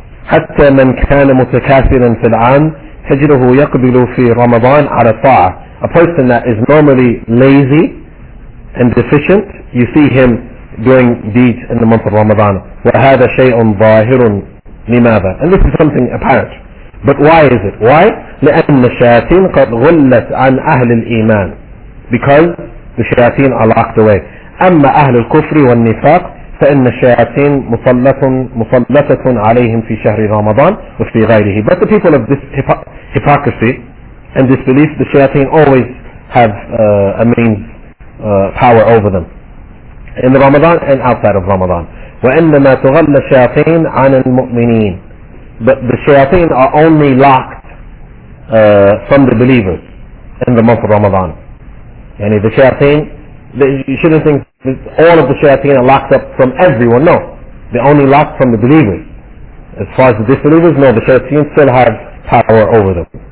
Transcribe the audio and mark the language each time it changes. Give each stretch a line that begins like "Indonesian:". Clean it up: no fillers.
Arabic: حَتَّى مَنْ كَانَ مُتَكَاسِرًا فِي الْعَامِ تَجِدُهُ يَقْبِلُ فِي رَمَضَانِ عَلَى الطَّاعَةِ.
English: A person that is normally lazy and deficient, you see him doing deeds in the month of Ramadan.
Arabic: وَهَذَا شَيْءٌ ظَاهِرٌ لِمَاذَا.
English: And this is something apparent. But why is it? Why?
Arabic: لأن الشياطين قد غلت عن أهل الإيمان.
English: Because the shayateen are locked away.
Arabic: أما أهل الكفر والنفاق فإن الشياطين مسلطة عليهم في شهر رمضان وفي غيره.
English: But the people of this hypocrisy and disbelief, the shayateen always have a means power over them in Ramadan and outside of Ramadan.
Arabic: وإنما تغل الشياطين عن المؤمنين.
English: But the shayateen are only locked from the believers in the month of Ramadan. Yani the shayateen, you shouldn't think that all of the shayateen are locked up from everyone. No, they're only locked from the believers. As far as the disbelievers, no, the shayateen still have power over them.